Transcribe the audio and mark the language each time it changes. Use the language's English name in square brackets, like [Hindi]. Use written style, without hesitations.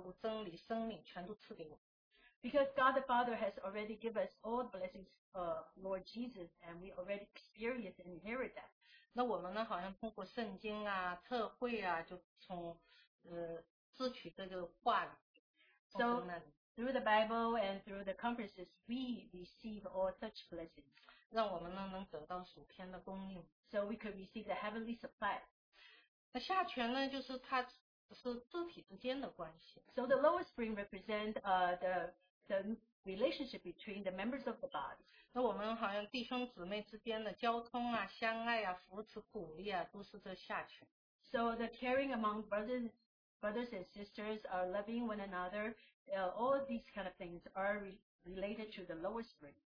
[Chinese] 因为是父神呢，把主耶稣基督所有的福气、他的道路、真理、生命全都赐给我。 [English] Because God the Father has already given us all the blessings of Lord Jesus, and we already experienced and inherited that. [Chinese] 那我们呢，好像通过圣经啊、特会啊，就从支取这个话语。 [English] So through the Bible and through the conferences, we receive all such blessings. [Chinese] 让我们呢能得到属天的供应。 [English] So we could receive the heavenly supply. [Chinese] 那下泉呢，就是它是肢体之间的关系。 [English] So the lower spring represents the relationship between the members of the body. [Chinese] 那我们好像弟兄姊妹之间的交通啊、相爱啊、扶持鼓励啊，都是这下泉。 [English] So the caring among brothers and sisters are loving one another. All of these kind of things are related to the lower spring.